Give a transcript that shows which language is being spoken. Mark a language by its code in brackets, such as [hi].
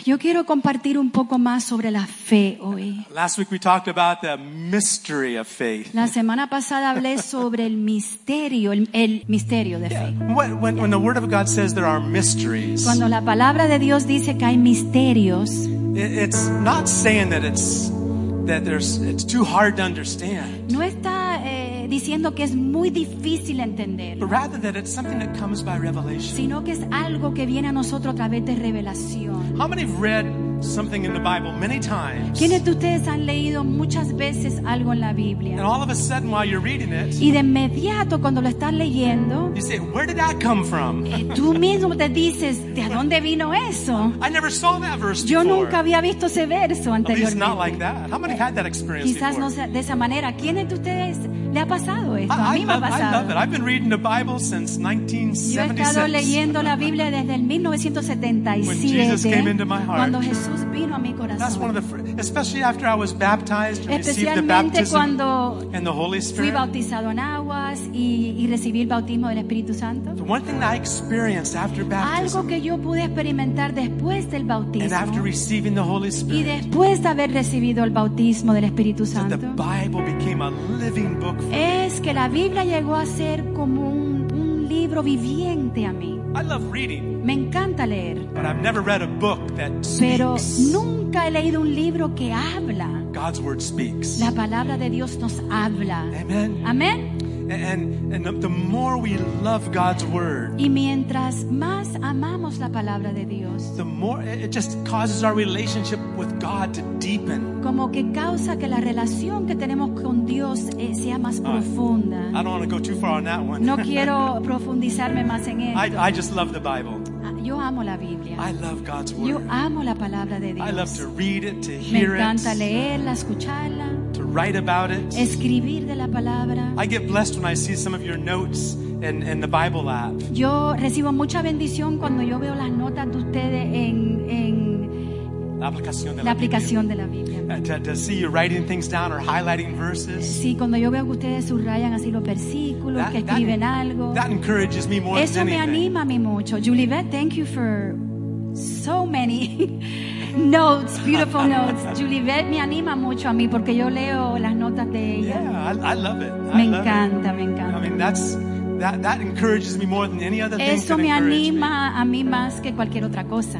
[es] Yo quiero compartir un poco más sobre la fe hoy. [en] Last week we talked about the mystery of faith. [es] La semana pasada hablé sobre el misterio de fe. [en] When the Word of God says there are mysteries. [es] Cuando la palabra de Dios dice que hay misterios. [en] It's not saying that it's too hard to understand. [es] No está diciendo que es muy difícil entender. [en] But rather that it's something that comes by revelation. [es] Sino que es algo que viene a nosotros a través de revelación. [en] How many have read something in the Bible many times? [es] ¿Quiénes de ustedes han leído muchas veces algo en la Biblia? [en] And all of a sudden while you're reading it, [es] y de inmediato cuando lo estás leyendo, [en] you say, where did that come from? [es] Tú mismo te dices, ¿de dónde vino eso? [en] I never saw that verse before. [es] Yo nunca había visto ese verso anteriormente. [en] At least not like that. How many had that experience? [es] Quizás [en] before? [es] No sea de esa manera. ¿Quiénes de ustedes le ha pasado esto? A mí me ha pasado. [en] I love it. I've been reading the Bible since 1976. [es] Yo he estado leyendo la Biblia desde el 1977. [en] When Jesus came into my heart. [es] Cuando Jesús vino a mi corazón. [en] That's one of the especially after I was baptized and received the baptism [es] cuando [en] and the Holy Spirit. [es] Fui bautizado en aguas y recibí el bautismo del Espíritu Santo. [en] The one thing that I experienced after baptism. [es] Algo que yo pude experimentar después del bautismo. [en] And after receiving the Holy Spirit. [es] Y después de haber recibido el bautismo del Espíritu Santo. [en] The Bible became a living book. [es] Es que la Biblia llegó a ser como un libro viviente a mí. [en] I love reading, [es] me encanta leer. [en] But I've never read a book that [es] pero [en] speaks. [es] Nunca he leído un libro que habla. [en] God's word speaks. [es] La palabra de Dios nos habla. [en] Amen. [es] Amen. [en] And the more we love God's word, [es] y mientras más amamos la palabra de Dios, [en] the more it just causes our relationship with God to deepen. [es] Como que causa que la relación que tenemos con Dios sea más profunda. [en] I don't want to go too far on that one. [es] No quiero profundizarme más en esto. [en] I just love the Bible. [es] Yo amo la Biblia. [en] I love God's word. [es] Yo amo la palabra de Dios. [en] I love to read it, to hear it. [es] Me encanta leerla, escucharla. [en] To write about it. [es] Escribir de la palabra. [en] I get blessed when I see some of your notes in the Bible app. [es] Yo recibo mucha bendición cuando yo veo las notas de ustedes en la aplicación de la Biblia. [en] To see you writing things down or highlighting verses. [es] Sí, cuando yo veo que ustedes subrayan así los versículos, que escriben algo. [en] That encourages me more than anything. [es] Eso me anima a mí mucho. [en] Julibet, thank you for so many notes, beautiful notes. [es] Julibet me anima mucho a mí porque yo leo las notas de ella. [en] Yeah, I love it. [es] Me encanta, me encanta. [en] I mean, that encourages me more than any other thing. [es] Eso me anima a mí más que cualquier otra cosa.